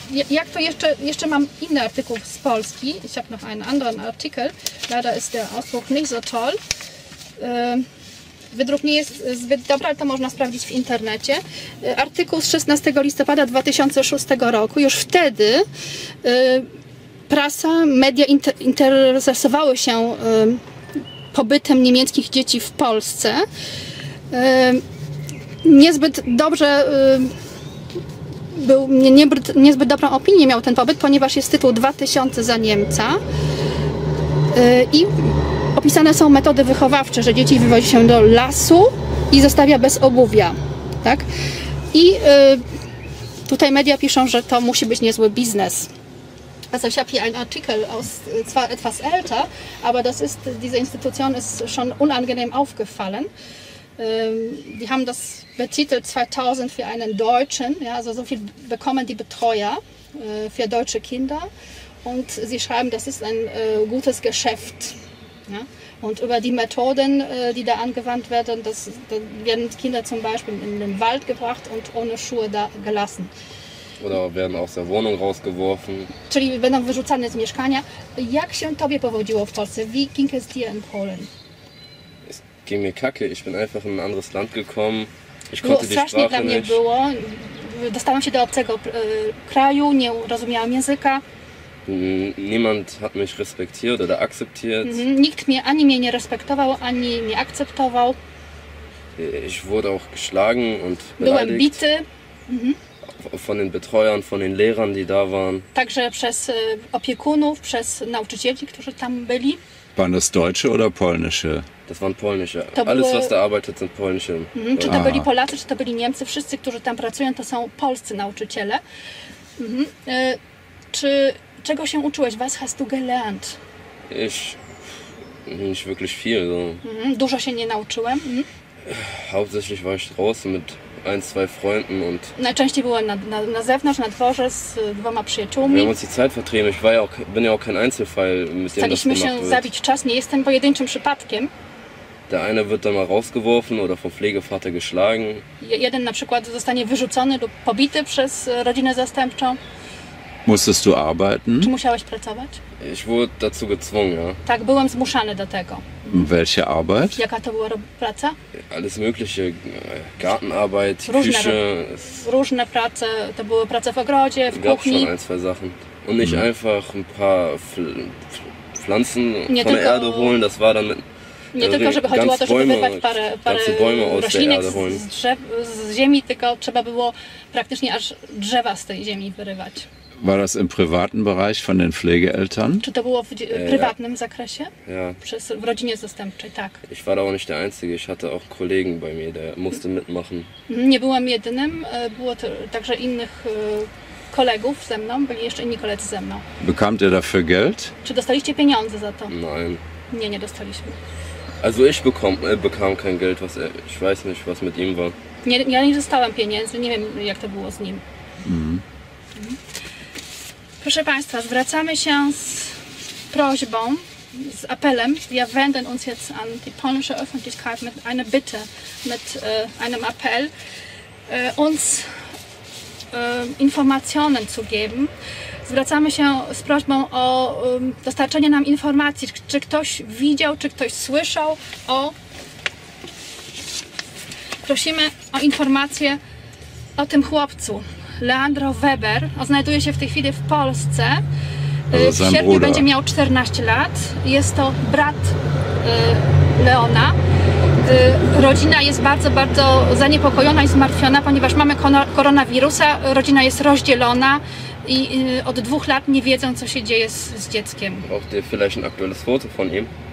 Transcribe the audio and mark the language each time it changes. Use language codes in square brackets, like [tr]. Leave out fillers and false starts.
[pl] Jak to jeszcze mam inny artykuł z Polski. [de] Ich habe noch einen anderen Artikel. Leider ist der Ausdruck nicht so toll. [pl] Wydruk nie jest zbyt dobry, ale to można sprawdzić w internecie. Artykuł z 16 listopada 2006 roku. Już wtedy prasa, media interesowały się pobytem niemieckich dzieci w Polsce. Niezbyt dobrze. Był niezbyt dobrą opinię miał ten pobyt, ponieważ jest tytuł 2000 za Niemca i opisane są metody wychowawcze, że dzieci wywozi się do lasu i zostawia bez obuwia, tak? I tutaj media piszą, że to musi być niezły biznes. [de] Also ich habe hier einen Artikel aus zwar etwas älter, aber das ist diese Institution ist schon unangenehm aufgefallen. Die haben das betitelt 2000 für einen Deutschen, ja, also so viel bekommen die Betreuer für deutsche Kinder und sie schreiben, das ist ein gutes Geschäft, ja. Und über die Methoden, die da angewandt werden, da werden Kinder zum Beispiel in den Wald gebracht und ohne Schuhe da gelassen. Oder werden aus der Wohnung rausgeworfen. [pl] Czyli będą wyrzucane z mieszkania. Jak się tobie powodziło w Polsce? [de] Wie ging es dir in Polen? Ging mir kacke, ich bin einfach in ein anderes Land gekommen. Ich konnte die Sprache nicht. [pl] Strasznie dla mnie było. Dostałam się do obcego kraju, nie rozumiałam języka. [de] Niemand hat mich respektiert oder akzeptiert. [pl] Nikt mnie ani mnie nie respektował, ani mnie akceptował. [de] Ich wurde auch geschlagen und beleidigt. [pl] Byłem bity. [de] Von den Betreuern, von den Lehrern, die da waren. [pl] Także przez opiekunów, przez nauczycieli, którzy tam byli. [de] Waren das Deutsche oder Polnische? Das waren Polnische. Alles, was da arbeitet, sind Polnische. [pl] Czy to byli Polacy, czy to byli Niemcy? Wszyscy, którzy tam pracują, to są polscy nauczyciele. Czego się uczyłeś? [de] Was hast du gelernt? Ich... nicht wirklich viel. So. [pl] Dużo się nie nauczyłem. [de] Hauptsächlich war ich draußen mit ein, zwei Freunden und... [pl] Najczęściej byłem na zewnątrz, na dworze z dwoma przyjaciółmi. [de] Wir haben uns die Zeit vertrieben. Ich war ja auch, bin ja auch kein Einzelfall, mit dem [pl] staliśmy [de] das [pl] się [de] wird. [pl] Zabić czas, nie jestem pojedynczym przypadkiem. [de] Der eine wird dann mal rausgeworfen oder vom Pflegevater geschlagen. [pl] Jeden na przykład zostanie wyrzucony lub pobity przez rodzinę zastępczą. [de] Musstest du arbeiten? [pl] Czy musiałeś pracować? [de] Ich wurde dazu gezwungen, ja. [pl] Tak, byłem zmuszany do tego. [de] Welche Arbeit? [pl] Jaka to była praca? [de] Alles mögliche. Gartenarbeit, Küche. [pl] Różne prace. To były prace w ogrodzie, w kuchni. [de] Gab schon ein, zwei Sachen. Und nicht einfach ein paar Pflanzen [pl] nie [de] von der Erde holen. Das war dann mit... [pl] Nie tylko, żeby chodziło o to, żeby wyrwać parę roślinek z ziemi, tylko trzeba było praktycznie aż drzewa z tej ziemi wyrywać. [de] War das im privaten Bereich von den Pflegeeltern? [pl] Czy to było w prywatnym zakresie? [de] Ja. [pl] Przez, w rodzinie zastępczej, tak. [de] Ich war auch nicht der Einzige, ich hatte auch Kollegen bei mir, der musste mitmachen. [pl] Nie byłam jedynym, było to także innych kolegów ze mną, byli jeszcze inni koledzy ze mną. [de] Bekamt ihr dafür Geld? [pl] Czy dostaliście pieniądze za to? [de] Nein. [pl] Nie dostaliśmy. [de] Also ich bekam kein Geld, was er, ich weiß nicht, was mit ihm war. [pl] Nie, ja nie dostałam pieniędzy, nie wiem, jak to było z nim. proszę Państwa, zwracamy się z prośbą, z apelem. [de] Wir wenden uns jetzt an die polnische Öffentlichkeit mit einer Bitte, mit einem Appell, uns Informationen zu geben. [pl] Zwracamy się z prośbą o dostarczenie nam informacji, czy ktoś widział, czy ktoś słyszał o... Prosimy o informację o tym chłopcu. Leandro Weber znajduje się w tej chwili w Polsce. W sierpniu będzie miał 14 lat. Jest to brat Leona. Rodzina jest bardzo, bardzo zaniepokojona i zmartwiona, ponieważ mamy koronawirusa. Rodzina jest rozdzielona i od 2 lat nie wiedzą, co się dzieje z dzieckiem. [de] Braucht ihr vielleicht ein aktuelles Foto von ihm?